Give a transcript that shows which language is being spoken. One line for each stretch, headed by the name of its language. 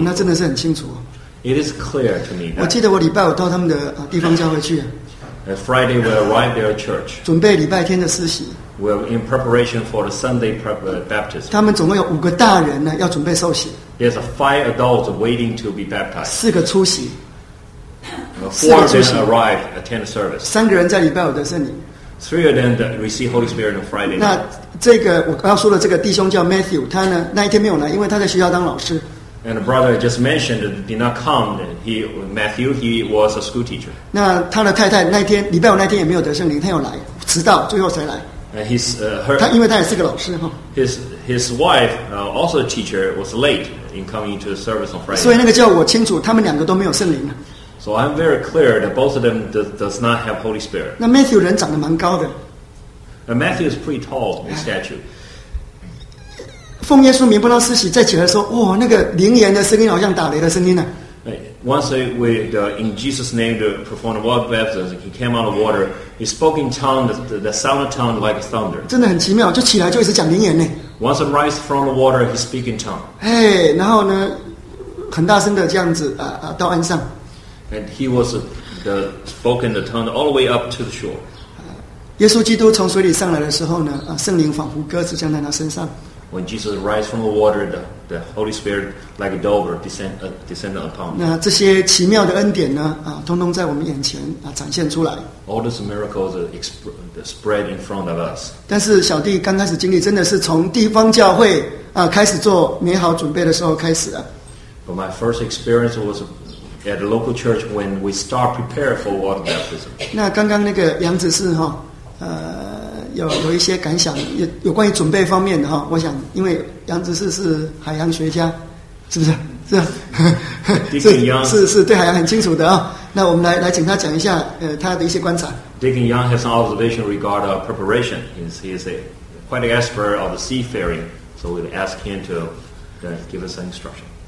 Chinese: 那真的是很清楚。
English: It is clear to me.
Chinese: 我记得我礼拜五到他们的地方教会去。
English: On Friday, we arrived at their church.
Chinese: 准备礼拜天的施洗。
English: We're in preparation for the Sunday baptism.
Chinese: 他们总共有五个大人呢，要准备受洗。
English: There's five adults waiting to be baptized.
Chinese: 四个出席。
English: Four of them arrived at attend the service.
Chinese: 三个人在礼拜五得圣灵。
English: Three of them received Holy Spirit on Friday.
Chinese: 那这个我要说的这个弟兄叫 Matthew， 他呢那一天没有来，因为他在学校当老师。
English: And a brother just mentioned that did not come. Matthew, he was a school teacher.
Chinese: 那他的太太那天礼拜五那天也没有得圣灵，他有来，迟到，最后才来。
English: And his, her,
Chinese: 他因为他也是个老师哈。
English: His wife, also a teacher, was late in coming to the service on Friday.
Chinese: 所以那个叫我清楚，他们两个都没有圣灵。
English: So I'm very clear that both of them does not have Holy Spirit.
Chinese: 那 Matthew 人长得蛮高的。
English: Matthew is pretty tall in stature.
Chinese: 奉耶稣名不到施洗，在起来说，哇，那个灵言的声音好像打雷的声音呢。
English: Once with in Jesus' name to perform the water baptism, he came out of water. He spoke in tongues, the sound of tongues like thunder.
Chinese: 真的很奇妙，就起来就一直讲灵言呢。
English: Once he rise from the water, he speak in tongue.
Chinese: 然后呢，很大声的这样子到岸上。
English: And he was spoken the tongue all the way up to the shore.
Chinese: 耶稣基督从水里上来的时候呢，圣灵仿佛鸽子降在他身上。
English: When Jesus rise from the water, the Holy Spirit like a dove descended upon him.
Chinese: 那这些奇妙的恩典呢？通通在我们眼前展现出来。
English: All these miracles spread in front of us.
Chinese: 但是小弟刚开始经历，真的是从地方教会开始做美好准备的时候开始的。
English: But my first experience was at a local church when we start prepare for water baptism.
Chinese: 那刚刚那个杨子是哈。有一些感想，有关于准备方面的哈，我想，因为杨执事是海洋学家，是不是？是，
English: Dickie Young,
Chinese: 是对海洋很清楚的啊。那我们来请他讲一下，他的一些观察。
English: Dickie Young has an observation regarding preparation. He is quite an expert of the seafaring, so we'll ask him to give us an instruction.